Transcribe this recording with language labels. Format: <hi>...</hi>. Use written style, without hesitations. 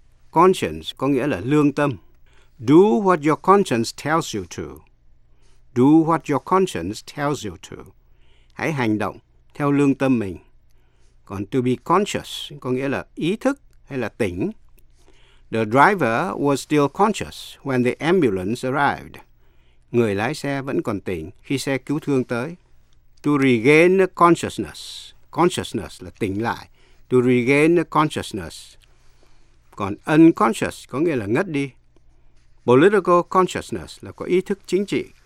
<en>Conscience</en> <vi>có nghĩa là lương tâm.</vi> <en>Do what your conscience tells you to. Do what your conscience tells you to.</en> <vi>Hãy hành động theo lương tâm mình. Còn to be conscious có nghĩa là ý thức hay là tỉnh.</vi> <en>The driver was still conscious when the ambulance arrived.</en> <vi>Người lái xe vẫn còn tỉnh khi xe cứu thương tới.</vi> <en>To regain consciousness. Consciousness</en> <vi>là tỉnh lại.</vi> <en>To regain consciousness.</en> <vi>Còn unconscious có nghĩa là ngất đi. Political consciousness là có ý thức chính trị.</vi>